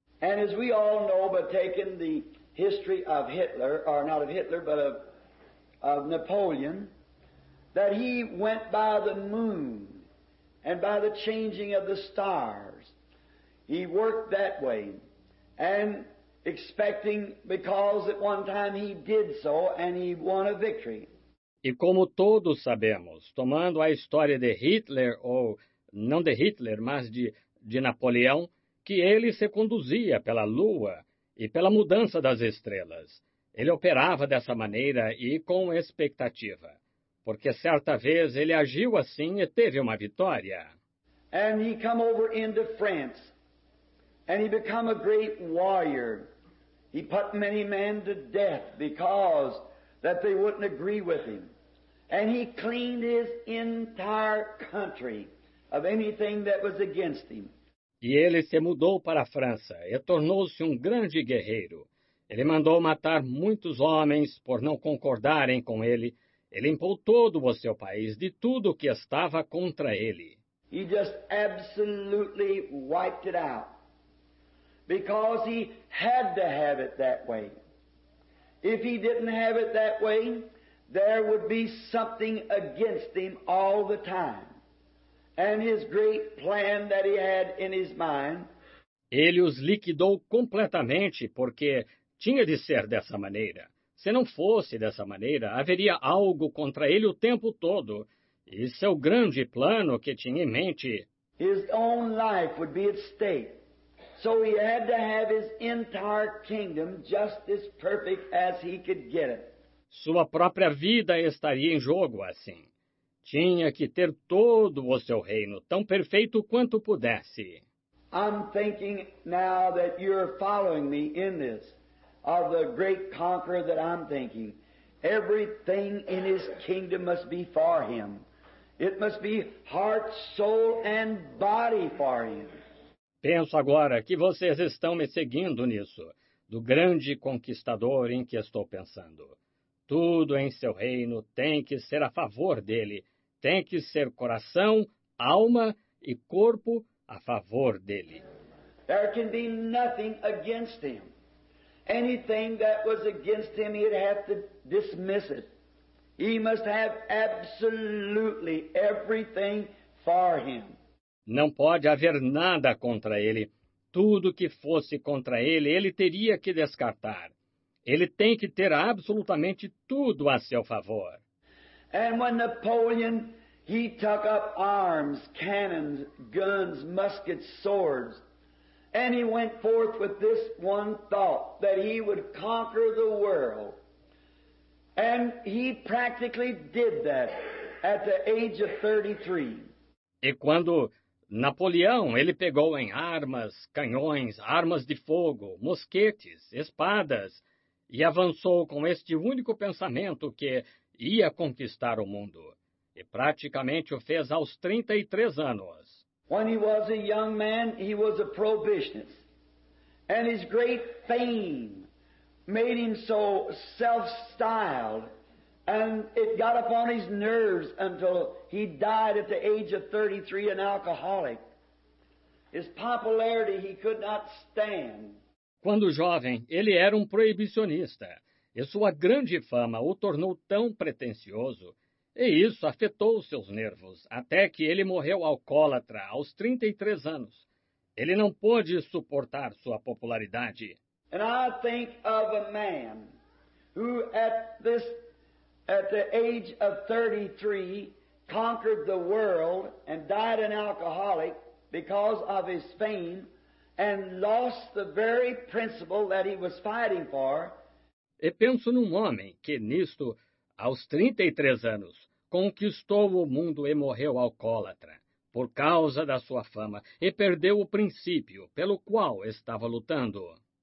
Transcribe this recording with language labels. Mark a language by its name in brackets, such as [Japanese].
[English] And as we all know, but taking the history of Hitler, or not of Hitler, but of Napoleon, that he went by the moon and by the changing of the stars. He worked that way, and expecting because at one time he did so, and he won a victory. [Portuguese] E como todos sabemos, tomando a história de Hitler, ou não de Hitler, mas de Napoleão, que ele se conduzia pela lua e pela mudança das estrelas. Ele operava dessa maneira e com expectativa, porque certa vez ele agiu assim e teve uma vitória. [English] And he come over into France. And he became a great warrior. He put many men to death because that they wouldn't agree with him. And he cleaned his entire country of anything that was against him. [Portuguese] E ele se mudou para a França e tornou-se um grande guerreiro. Ele mandou matar muitos homens por não concordarem com ele. Ele limpou todo o seu país de tudo que estava contra ele. [English] He just absolutely wiped it out. Because he had to have it that way. If he didn't have it that way, there would be something against him all the time. And his great plan that he had in his mind. [Portuguese] Ele os liquidou completamente porque tinha de ser dessa maneira. Se não fosse dessa maneira, haveria algo contra ele o tempo todo. E seu grande plano que tinha em mente. [English] His own life would be at stake. So he had to have his entire kingdom just as perfect as he could get it. [Portuguese] Sua própria vida estaria em jogo assim. Tinha que ter todo o seu reino tão perfeito quanto pudesse. [English] I'm thinking now that you're following me in this, of the great conqueror that I'm thinking. Everything in his kingdom must be for him. It must be heart, soul, and body for him. [Portuguese] Penso agora que vocês estão me seguindo nisso, do grande conquistador em que estou pensando. Tudo em seu reino tem que ser a favor dele. Tem que ser coração, alma e corpo a favor dele. [English] There can be nothing against him. Anything that was against him, he'd have to dismiss it. He must have absolutely everything for him. [Portuguese] Não pode haver nada contra ele. Tudo que fosse contra ele, ele teria que descartar. Ele tem que ter absolutamente tudo a seu favor. [English] And when Napoleon, he took up arms, cannons, guns, muskets, swords, and he went forth with this one thought, that he would conquer the world. And he practically did that at the age of 33. [Portuguese] E quando Napoleão, ele pegou em armas, canhões, armas de fogo, mosquetes, espadas, e avançou com este único pensamento que ia conquistar o mundo. E praticamente o fez aos 33 anos. [English] When he was a young man, he was a prohibitionist. And his great fame made him so self-styled, and it got upon his nerves until he died at the age of 33, an alcoholic. His popularity he could not stand. [Portuguese] Quando jovem, ele era um proibicionista, e sua grande fama o tornou tão pretensioso, e isso afetou seus nervos, até que ele morreu alcoólatra aos 33 anos. Ele não pôde suportar sua popularidade. [English] And I think of a man who at the age of 33 conquered the world and died an alcoholic because of his fame and lost the very principle that he was fighting for. [Portuguese] E penso num homem que nisto, aos 33 anos, conquistou o mundo e morreu alcoólatra por causa da sua fama e perdeu o princípio pelo qual estava lutando.